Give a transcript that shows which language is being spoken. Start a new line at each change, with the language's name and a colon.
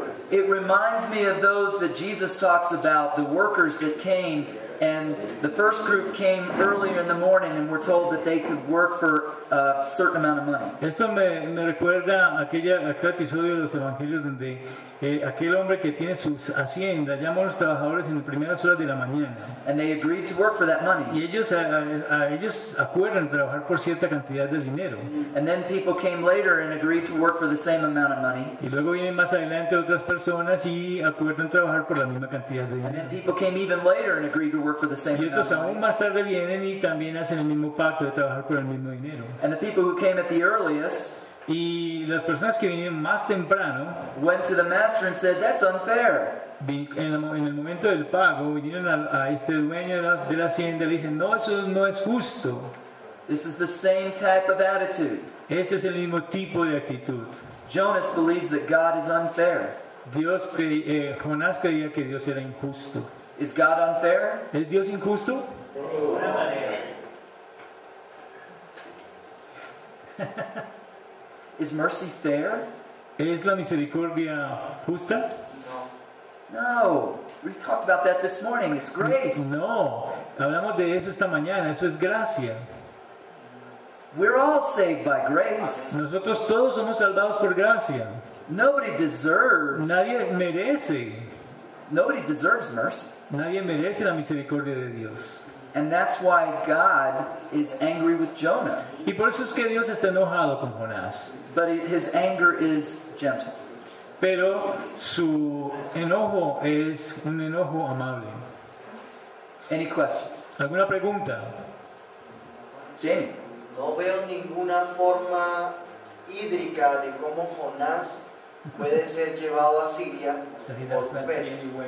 English: It reminds me of those that Jesus talks about, the workers that came. And the first group came earlier in the morning and were told that they could work for a certain amount of money.
Spanish: Esto me recuerda aquel episodio de los evangelios donde aquel hombre que tiene su hacienda llamó a los trabajadores en las primeras horas de la mañana.
English: And they agreed to work for that money.
Spanish: Y ellos acuerdan trabajar por cierta cantidad de dinero.
English: And then people came later and agreed to work for the same amount of money.
Spanish: Y luego vienen más adelante otras personas y acuerdan trabajar por la misma cantidad de dinero.
English: And then people came even later and agreed to work for the same amount.
Spanish: Y otros aún más tarde vienen y también hacen el mismo pacto de trabajar por el mismo dinero.
English: And the people who came at the earliest.
Spanish: Y las personas que vinieron más temprano
English: went to the master and said, that's unfair.
Spanish: En el momento del pago vinieron a este dueño de la hacienda y le dicen, no, eso no es justo.
English: This is the same type of attitude.
Spanish: Este es el mismo tipo de actitud.
English: Jonas believes that God is unfair.
Spanish: Jonás creía que Dios era injusto.
English: Is God unfair?
Spanish: ¿Es Dios injusto?
English: Is mercy fair?
Spanish: ¿Es la misericordia justa?
English: No. No. We talked about that this morning. It's grace.
Spanish: No. Hablamos de eso esta mañana. Eso es gracia.
English: We're all saved by grace.
Spanish: Nosotros todos somos salvados por gracia.
English: Nobody deserves.
Spanish: Nadie merece.
English: Nobody deserves mercy.
Spanish: Nadie merece la misericordia de Dios.
English: And that's why God is angry with Jonah.
Spanish: Y por eso es que Dios está enojado con Jonás.
English: But his anger is gentle.
Spanish: Pero su enojo es un enojo amable.
English: Any questions?
Spanish: ¿Alguna pregunta?
English: Jamie.
Spanish: No veo ninguna forma hídrica de cómo Jonás puede ser llevado a Siria por pez.